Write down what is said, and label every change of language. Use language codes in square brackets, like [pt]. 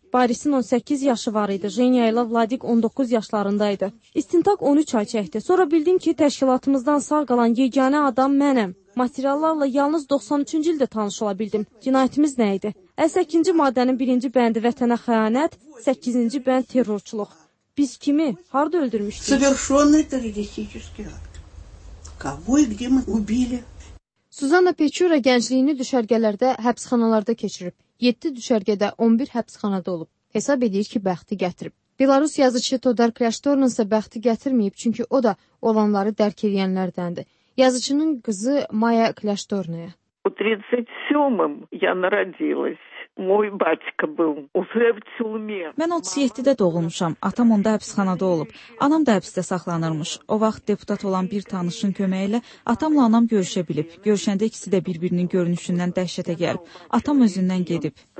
[az] Barisin 18 yaşı var idi, Jenya ilə Vladik 19 yaşlarındaydı. İstintaq 13 ay çəkdi. Sonra bildim ki, təşkilatımızdan sağ qalan yeganə adam mənəm. Materiallarla yalnız 93-cü ildə tanış ola bildim. Cinayətimiz nə idi? 82-ci maddənin 1-ci bəndi vətənə xəyanət, 8-ci bənd terrorçuluq. Biz kimi, harada öldürmüşdük? [ru] Совершённый террористический акт. Кого и где мы убили? [az] Suzana Pechura gəncliyini düşərgələrdə, həbsxanalarda keçirib. 7 düşərgədə 11 həbsxanada olub. Hesab edir ki, bəxti gətirib. Belarus yazıçı Todar Kraştornun isə bəxti gətirməyib, çünki o da olanları dərk edənlərdəndir. Yazıçının qızı Maya Kraştornaya. [be] У 37-м я народилась. [ru] Мой батька был уже в тюрьме. [az] Мен 37-də doğulmuşam. Atam onda həbsxanada olub. Anam da həbsdə saxlanırmış. O vaxt deputat olan bir tanışın köməyi ilə atamla anam görüşə bilib. Görüşəndə ikisi də bir-birinin görünüşündən dəhşətə gəlib. Atam özündən gedib.